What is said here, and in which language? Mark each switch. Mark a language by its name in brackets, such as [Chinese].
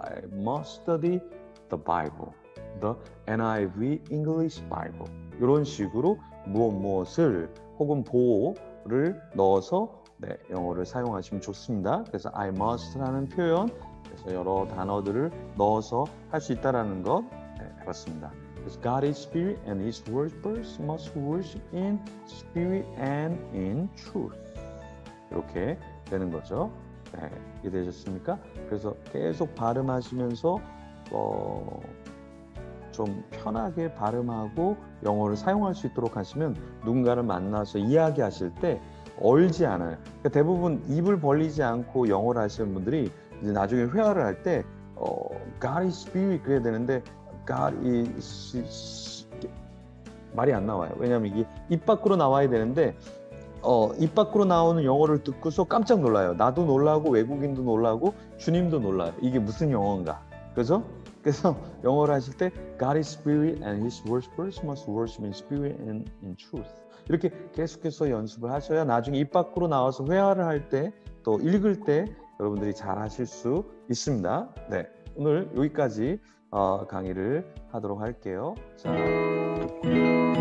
[English] I must study the Bible. The NIV English Bible. [Korean] 이런 식으로 무엇무엇을 혹은 보어를 넣어서 네, 영어를 사용하시면 좋습니다. 그래서 I must라는 표현, 그래서 여러 단어들을 넣어서 할수 있다라는 것, 네, 알았습니다. [English] 그래서 God is spirit and his worshipers must worship in spirit and in truth. [Korean] 이렇게 되는 거죠. 네, 이해되셨습니까? 그래서 계속 발음하시면서 좀 편하게 발음하고 영어를 사용할 수 있도록 하시면 누군가를 만나서 이야기하실 때 얼지 않아요. 그러니까 대부분 입을 벌리지 않고 영어를 하시는 분들이 이제 나중에 회화를 할 때, [English] God is spirit [Korean] 그래야 되는데, God is 말이 안 나와요. 왜냐면 이게 입 밖으로 나와야 되는데, 입 밖으로 나오는 영어를 듣고서 깜짝 놀라요. 나도 놀라고, 외국인도 놀라고, 주님도 놀라요. 이게 무슨 영어인가. 그죠? 그래서 영어를 하실 때, [English] God is spirit and his worshipers must worship in spirit and in truth. [Korean] 이렇게 계속해서 연습을 하셔야 나중에 입 밖으로 나와서 회화를 할 때, 또 읽을 때 여러분들이 잘 하실 수 있습니다. 네. 오늘 여기까지 강의를 하도록 할게요. 자, 좋습니다.